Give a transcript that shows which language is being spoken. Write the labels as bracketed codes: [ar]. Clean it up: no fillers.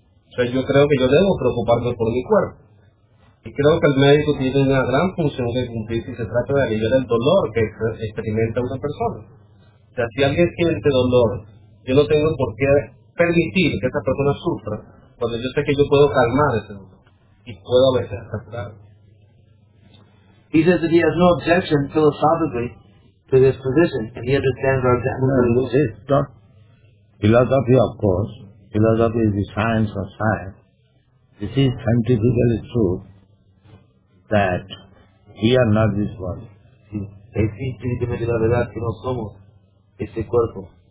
[es] Entonces yo creo que yo debo preocuparme por mi cuerpo y creo que el médico tiene una gran función que cumplir si se trata de aliviar el dolor que experimenta una persona. O sea, si alguien siente dolor, yo no tengo por qué permitir que esa persona sufra cuando yo sé que yo puedo calmar ese dolor y puedo a veces aceptar. [en] He says that he has no objection philosophically to this position and he understands our definition. Philosophy, of course, philosophy is the science of science. This is scientifically true that we are not this body. [es] Es científicamente la verdad que no somos este cuerpo.